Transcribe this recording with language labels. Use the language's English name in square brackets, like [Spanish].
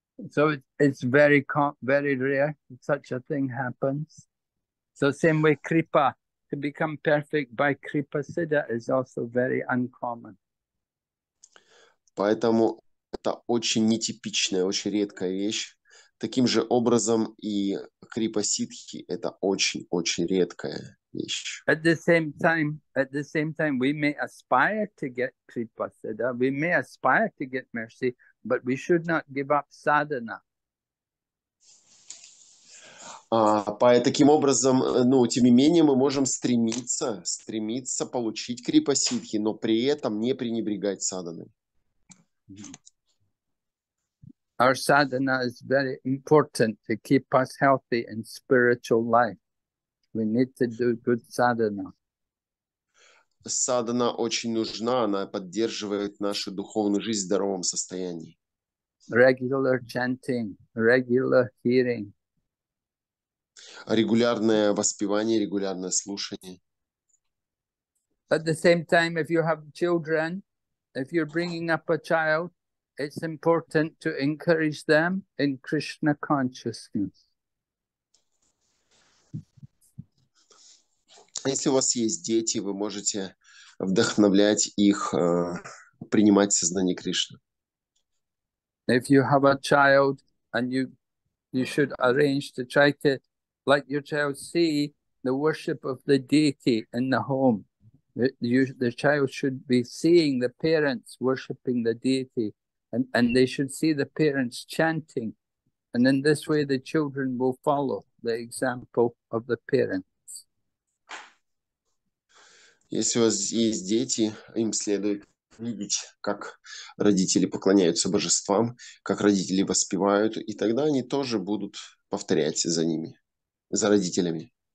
[English] So it's very, very rare such a thing happens. So same way kripa, to become perfect by kripa siddha is also very uncommon. [Russian] Поэтому это очень нетипичная, очень редкая вещь. Таким же образом и крипа-ситхи – это очень-очень редкая вещь. [English] At the same time, we may aspire to get kripa-siddha, we may aspire to get mercy, but we should not give up sadhana. [Russian] Таким образом, ну, тем не менее, мы можем стремиться получить крипа-ситхи, но при этом не пренебрегать садханой. [English] Our sadhana is very important to keep us healthy in spiritual life. We need to do good sadhana. [Russian] Sadhana очень нужна, она поддерживает нашу духовную жизнь в здоровом состоянии. [English] Regular chanting, regular hearing. [Russian] Регулярное воспевание, регулярное слушание. [English] At the same time, if you have children, if you're bringing up a child, it's important to encourage them in Krishna consciousness. [Russian] Если у вас есть дети, вы можете вдохновлять их принимать сознание Кришны. [English] If you have a child and you should arrange to try to let your child see the worship of the deity in the home. The child should be seeing the parents worshiping the deity, and they should see the parents chanting, and in this way the children will follow the example of the parents. [Russian] Если у вас есть дети, им следует видеть, как родители поклоняются божествам, как родители воспевают, и тогда они тоже будут повторять за ними, за родителями.